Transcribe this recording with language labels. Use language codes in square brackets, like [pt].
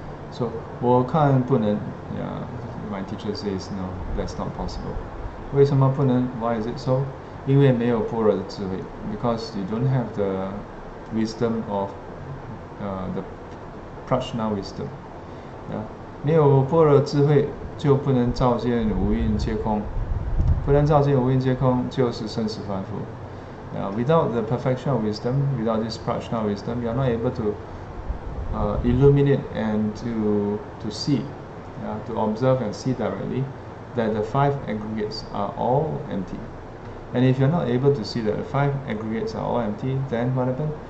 [en] So, [zh] 我看不能, [en] yeah, my teacher says, no, that's not possible. [zh] 为什么不能? [en] Why is it so? [zh] 因为没有般若智慧, [en] because you don't have the wisdom of the Prajna wisdom. Yeah. [zh] 没有般若智慧,就不能照见五蕴皆空, 不能照见五蕴皆空,就是生死凡夫. [en] Yeah. Without the perfection of wisdom, without this Prajna wisdom, you are not able to illuminate and to see, yeah, to observe and see directly that the five aggregates are all empty. And if you're not able to see that the five aggregates are all empty, then what happens?